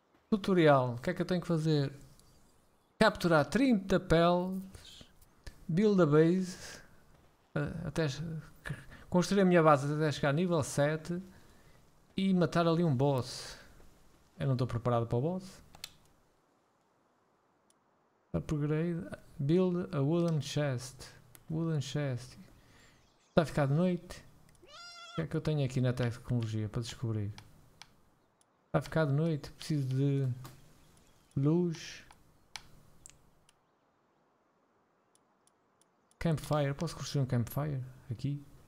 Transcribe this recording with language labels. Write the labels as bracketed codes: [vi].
[pt] Tutorial, o que é que eu tenho que fazer? Capturar 30 peles, [en] build a base, [pt] construir a minha base até chegar a nível 7 e matar ali um boss. Eu não estou preparado para o boss. [en] Upgrade, build a wooden chest. [pt] Wooden chest. Está a ficar de noite. O que é que eu tenho aqui na tecnologia para descobrir? Está a ficar de noite, preciso de luz. Campfire, posso construir um campfire aqui?